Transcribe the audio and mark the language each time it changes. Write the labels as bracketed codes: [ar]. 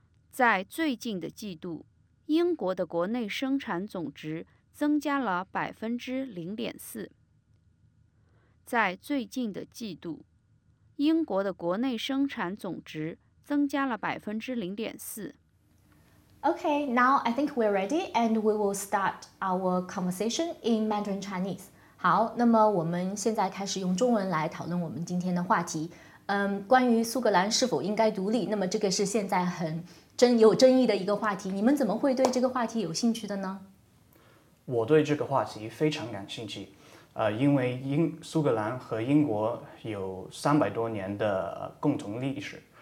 [zh] 在最近的季度，英国的国内生产总值增加了0.4%。在最近的季度，英国的国内生产总值增加了0.4%。 [en] Okay, now I think we're ready and we will start our conversation in Mandarin Chinese. [zh] 好，那么我们现在开始用中文来讨论我们今天的话题。关于苏格兰是否应该独立，那么这个是现在很有争议的一个话题。你们怎么会对这个话题有兴趣的呢？我对这个话题非常感兴趣，因为苏格兰和英国有300多年的共同历史。